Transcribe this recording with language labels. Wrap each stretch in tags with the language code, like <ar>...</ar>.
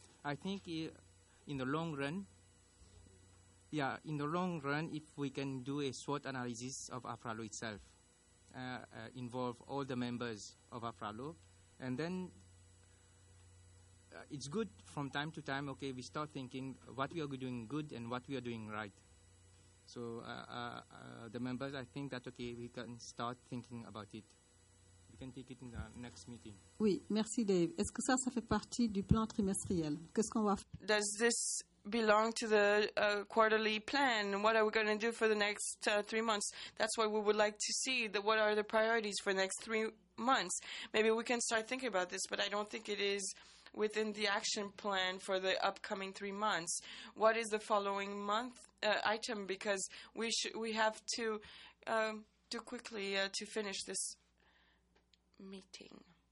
<en>I think in the long run, if we can do a SWOT analysis of AFRALO itself, involve all the members of AFRALO, and then it's good from time to time, okay, we start thinking what we are doing good and what we are doing right. So the members, I think that, okay, we can start thinking about it. We can take it in the next meeting.</en> <fr>Oui, merci Dave. Est-ce que ça fait partie du plan trimestriel? Qu'est-ce qu'on va faire?</fr> <en>Does this belong to the quarterly plan? What are we going to do for the next 3 months? That's what we would like to see. What are the priorities for the next 3 months? Maybe we can start thinking about this, but I don't think it is within the action plan for the upcoming 3 months. What is the following month item? Because we have to do quickly to finish this meeting.</en>